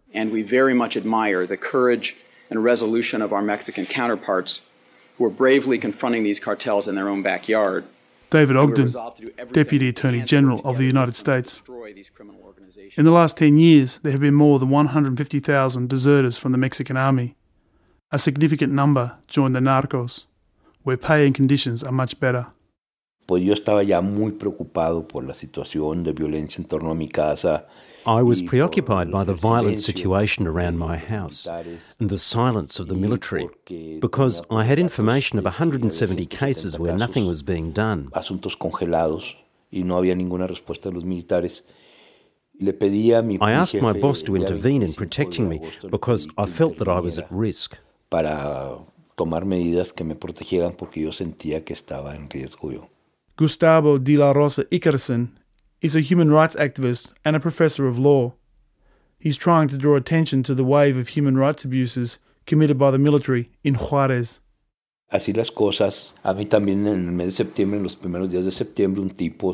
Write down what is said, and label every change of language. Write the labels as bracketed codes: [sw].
[en] And we very much admire the courage and resolution of our Mexican counterparts who are bravely confronting these cartels in their own backyard. David Ogden, Deputy Attorney General of the United States. In the last 10 years, there have been more than 150,000 deserters from the Mexican army. A significant number joined the narcos, where pay and conditions are much better. [es] Pues yo estaba ya muy preocupado por la situación de violencia en torno a mi casa. [en] I was preoccupied by the violent situation around my house and the silence of the military because I had information of 170 cases where nothing was being done. [es] Asuntos congelados y no había ninguna respuesta de los militares. [en] I asked my boss to intervene in protecting me because I felt that I was at risk. [es] Para tomar medidas que me protegieran porque yo sentía que estaba en riesgo. [en] Gustavo de la Rosa Ickerson is a human rights activist and a professor of law. He's trying to draw attention to the wave of human rights abuses committed by the military in Juarez. [es] Así las cosas. A mí también en el mes de septiembre, en los primeros días de septiembre, un tipo.